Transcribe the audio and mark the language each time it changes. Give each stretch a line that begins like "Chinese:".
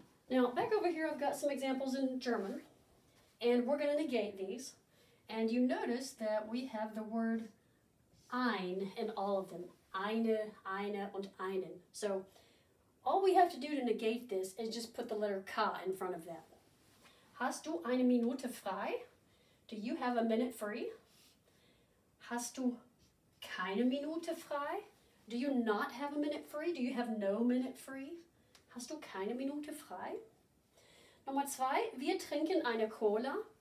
English: Now, back over here, I've got some examples in German, and we're going to negate these. And you notice that we have the word ein in all of them.
German: Eine, eine, und einen.
English: So all we have to do to negate this is just put the letter ka in front of that.
German: Hast du eine Minute frei?
English: Do you have a minute free?
German: Hast du keine Minute frei?
English: Do you not have a minute free? Do you have no minute free?
German: Hast du keine Minute frei? Nummer zwei, wir trinken eine Cola.